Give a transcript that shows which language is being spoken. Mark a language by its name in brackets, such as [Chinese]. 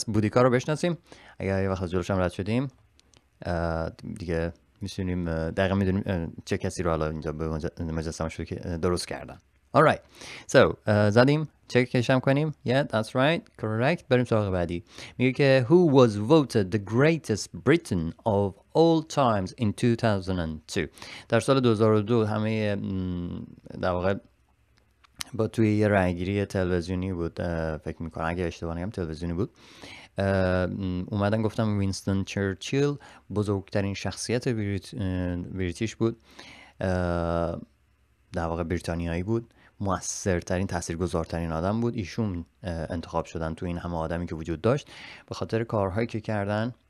[Persian] پس بودیکا رو بشناسیم، اگر یه وقت جلوش هم رد شدیم دیگه میشونیم دقیقا میدونیم چه کسی رو حالا اینجا به مجسمه شده که درست کردن. [English] Alright, so [Persian] زدیم چک کشم کنیم. [English] Yeah, that's right, correct. [Persian] بریم سراغ بعدی. میگه که [English] Who was voted the greatest Briton of all times in 2002. [Persian] در سال 2002 همه در واقع با توی یه رأی‌گیری تلویزیونی بود، فکر میکنم اگه اشتباه نگم تلویزیونی بود، اومدن گفتم وینستون چرچیل بزرگترین شخصیت بریتیش بود، در واقع بریتانیایی بود، مؤثرترین، تاثیرگذارترین آدم بود، ایشون انتخاب شدن تو این همه آدمی که وجود داشت به خاطر کارهایی که کردن.